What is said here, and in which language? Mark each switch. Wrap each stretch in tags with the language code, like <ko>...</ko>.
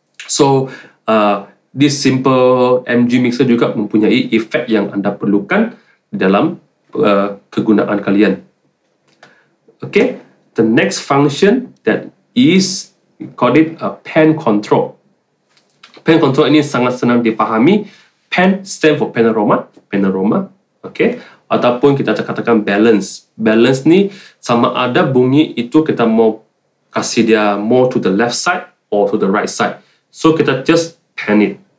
<en>So, this simple MG mixer</en> <ms>juga mempunyai effect yang anda perlukan dalam kegunaan kalian.</ms> <en>Okay, the next function that is called it a pan control.</en> <ms>Pan control ini sangat senang dipahami.</ms> <en>Pan stand for panorama, panorama. Okay,</en> <ms>ataupun kita katakan</ms> <en>balance.</en> <ms>Balance ni sama ada bunyi itu kita mau kasih dia</ms> <en>more to the left side or to the right side. So kita just pan it.</en>